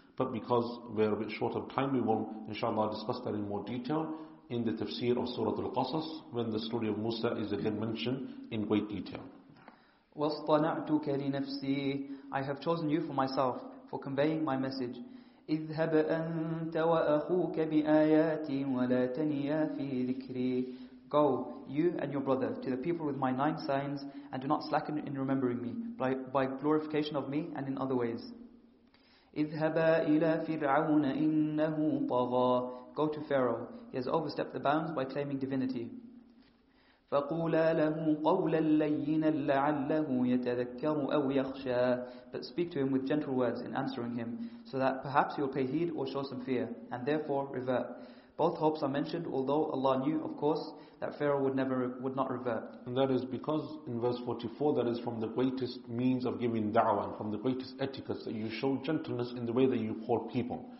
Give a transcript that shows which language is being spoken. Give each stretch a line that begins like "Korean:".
English: But because we are a bit short of time, we will inshallah discuss that in more detail in the tafsir of Surah Al-Qasas, when the story of Musa is again mentioned in great detail.
Arabic: وَاصْطَنَعْتُكَ لِنَفْسِي.
English: I have chosen you for myself, for conveying my message.
Arabic: اذهب أنت وأخوك بآياتي ولا تنيا في ذكري.
English: Go, you and your brother, to the people with my 9 signs, and do not slacken in remembering me, by glorification of me and in other ways.
Arabic: اذهبا إلى فرعون إنه طغى.
English: Go to Pharaoh, he has overstepped the bounds by claiming divinity.
Arabic: فقولا له قولا لينا لعله يتذكر أو يخشى.
English: But speak to him with gentle words in answering him, so that perhaps he will pay heed or show some fear, and therefore revert. Both hopes are mentioned, although Allah knew, of course, that Pharaoh would not revert. And that is because in verse 44, that is from the greatest means of giving da'wah and from the greatest etiquette, that you show gentleness in the way that you call people.